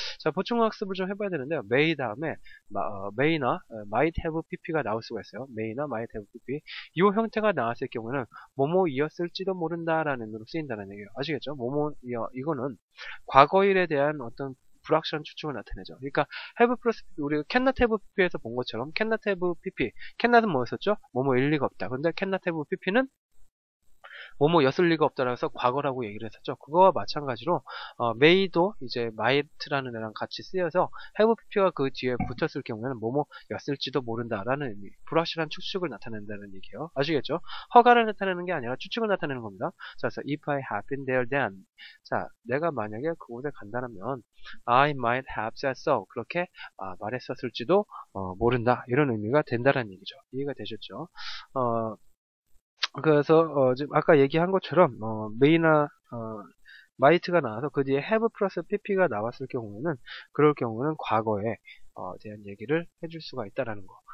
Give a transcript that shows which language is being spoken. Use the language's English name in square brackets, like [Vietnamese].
[Korean] 자, 보충 학습을 좀 해 봐야 되는데요. may 다음에 may나 might have pp가 나올 수가 있어요. may나 might have pp. 이 형태가 나왔을 경우는 뭐뭐 이었을지도 모른다라는 의미로 쓰인다는 얘기예요. 아시겠죠? 뭐뭐 이어 이거는 과거일에 대한 어떤 불확실한 추측을 나타내죠. 그러니까 have plus 우리가 cannot have pp에서 본 것처럼 cannot have pp. cannot은 뭐였었죠? 뭐뭐 일 리가 없다. 근데 cannot have pp는 뭐뭐였을 리가 없다라서 과거라고 얘기를 했었죠. 그거와 마찬가지로 may도 이제 might라는 애랑 같이 쓰여서 have pp가 그 뒤에 붙었을 경우에는 뭐뭐였을지도 모른다라는 의미. 불확실한 추측을 나타낸다는 얘기예요. 아시겠죠? 허가를 나타내는 게 아니라 추측을 나타내는 겁니다. 자, 그래서 [English] if I have been there then. [Korean] 자, 내가 만약에 그곳에 간다면 [English] I might have said so. [Korean] 그렇게 말했었을지도 모른다. 이런 의미가 된다라는 얘기죠. 이해가 되셨죠? 그래서 지금 아까 얘기한 것처럼 may나 might가 나와서 그 뒤에 have plus pp가 나왔을 경우에는 그럴 경우는 과거에 대한 얘기를 해줄 수가 있다라는 거.